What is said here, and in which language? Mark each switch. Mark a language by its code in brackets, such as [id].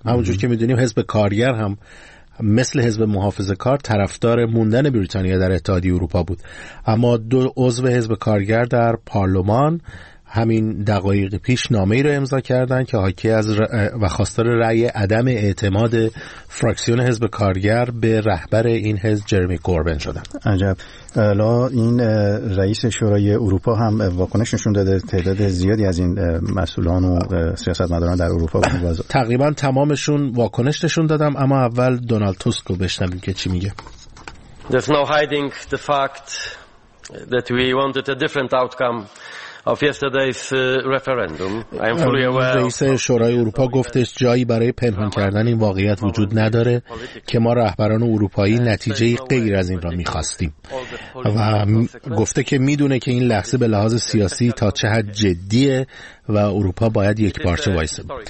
[fa] همونجور که می‌دونیم حزب کارگر هم مثل حزب محافظه‌کار طرفدار موندن بریتانیا در اتحادیه اروپا بود، اما دو عضو حزب کارگر در پارلمان همین دقایق پیش نامه‌ای رو امضا کردن که حاکی از و خواستار رأی عدم اعتماد فراکسیون حزب کارگر به رهبر این حزب جرمی کوربن شدن. عجب. حالا این رئیس شورای اروپا هم واکنش نشون داده، تعداد زیادی از این مسئولان و سیاستمداران در اروپا تقریبا تمامشون واکنش نشون دادم، اما اول دونالد توسک رو بشنویم که چی میگه. [en] There's no hiding the fact that we wanted a different outcome of yesterday's referendum. I am fully aware. [fa] رئیس شورای اروپا گفتش جایی برای پنهان کردن این واقعیت وجود نداره که ما رهبران اروپایی نتیجه غیر از این را می‌خواستیم. و گفته که می‌دونه که این لحظه به لحاظ سیاسی تا چه حد جدیه و اروپا باید یک پارچه وایسه.